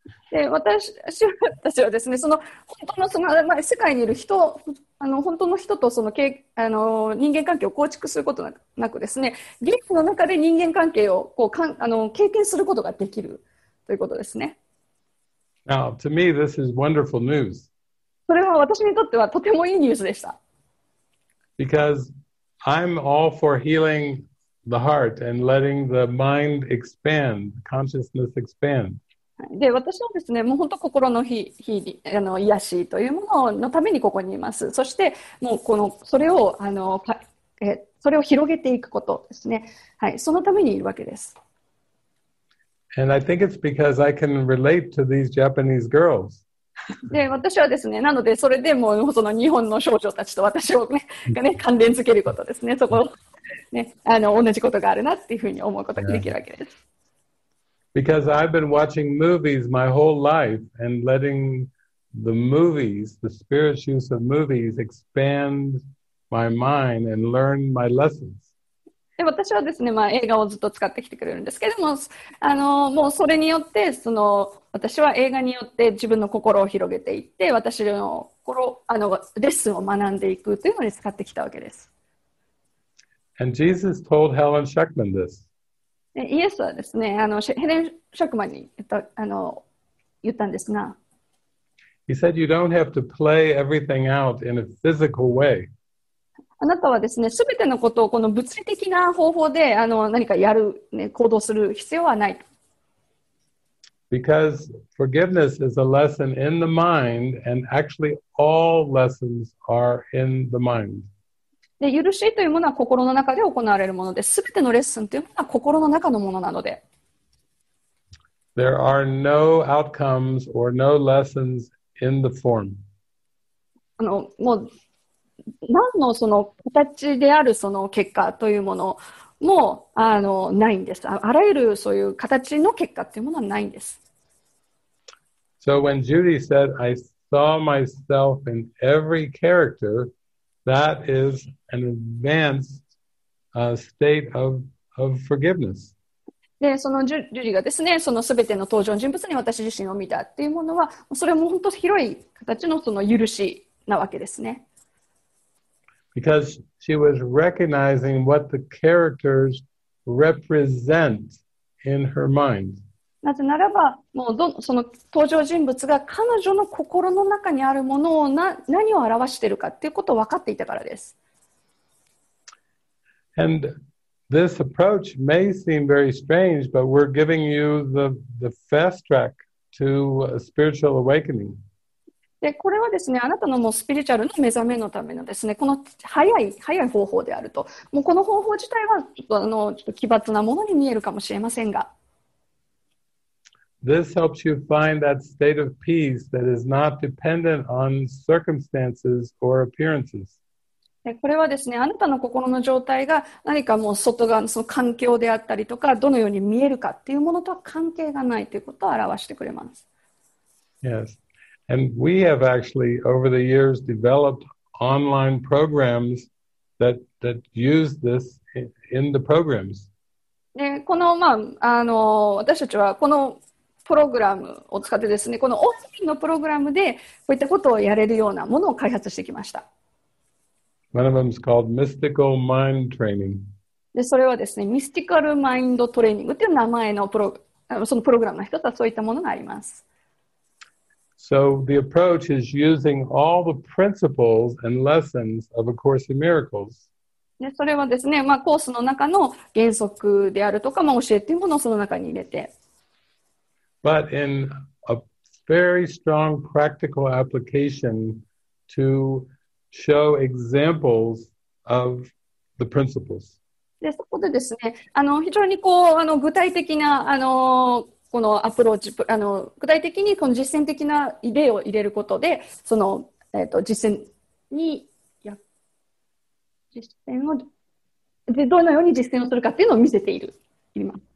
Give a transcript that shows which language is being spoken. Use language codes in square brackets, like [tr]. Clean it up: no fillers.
[ja] で、私はですね、その本当のその、まあ、世界にいる人、あの本当の人とその、あの人間関係を構築することなくですね、ゲームの中で人間関係をこうかんあの経験することができるということですね。 [en] Now, to me, this is wonderful news. [ja] それは私にとってはとてもいいニュースでした。 [en] Because I'm all for healing the heart and letting the mind expand, consciousness expand. [ja] で、私はですね、もう本当心のあの癒しというもののためにここにいます。そして、もうこの、それを、あの、それを広げていくことですね。はい、そのためにいるわけです。 [en] And I think it's because I can relate to these Japanese girls. [ja] で、私はですね、なので、それでもう、その日本の少女たちと私をね、がね、関連づけることですね。そこ、ね、あの、同じことがあるなっていうふうに思うことができるわけです。 [en] Because I've been watching movies my whole life and letting the movies, the spiritual use of movies, expand my mind and learn my lessons. [ja] で、私はですね、まあ、映画をずっと使ってきてくれるんですけども、あの、もうそれによって、その、私は映画によって自分の心を広げていって、私の心、あの、レッスンを学んでいくというのに使ってきたわけです。 [en] And Jesus told Helen Schuckman this. [ja] イエスはですね、あの、ヘレン・シャクマンに言ったんですが、 [en] He said, you don't have to play everything out in a physical way. [ja] あなたはですね、すべてのことをこの物理的な方法で、あの、何かやる、ね、行動する必要はない。 [en] Because forgiveness is a lesson in the mind, and actually all lessons are in the mind. [ja] で、許しというものは心の中で行われるもので、すべてのレッスンというものは心の中のものなので。 [en] There are no outcomes or no lessons in the form. [ja] あの、もう、何のその形であるその結果というものもあのないんです。あらゆるそういう形の結果というものはないんです。 [en] So when Judy said, I saw myself in every character, that is an advanced state of forgiveness. [ja] で、そのジュリーがですね、その全ての登場人物に私自身を見たというものは、それも本当に広い形のその許しなわけですね。 [en] Because she was recognizing what the characters represent in her mind. [ja] なぜならば、もうその登場人物が彼女の心の中にあるものを何を表しているかということを分かっていたからです。 [en] And this approach may seem very strange, but we're giving you the fast track to a spiritual awakening. [ja] で、これはですね、あなたのもうスピリチュアルの目覚めのためのですね、この早い方法であると。もうこの方法自体はちょっとあの、ちょっと奇抜なものに見えるかもしれませんが。 [en] This helps you find that state of peace that is not dependent on circumstances or appearances. [ja] これはですね、あなたの心の状態が何かもう外側のその環境であったりとか、どのように見えるかっていうものとは関係がないということを表してくれます。 [en] Yes. And we have actually, over the years, developed online programs that use this in the programs. [ja] ね、この、まあ、私たちはこのプログラムを使ってですね、このオンラインのプログラムでこういったことをやれるようなものを開発してきました。 [en] One of them is called Mystical Mind Training. [ja] で、それはですね、ミスティカルマインドトレーニングという名前のプログラムの一つはそういったものがあります。 [en] So the approach is using all the principles and lessons of A Course in Miracles. [ja] で、それはですね、まあコースの中の原則であるとか、まあ教えっていうものをその中に入れて。 [en] But in a very strong practical application to show examples of the principles. [ja] で、そこでですね、非常にこう、具体的な、このアプローチ、具体的にこの実践的な例を入れることで、その、実践に、実践を、で、どのように実践をするかっていうのを見せている、今。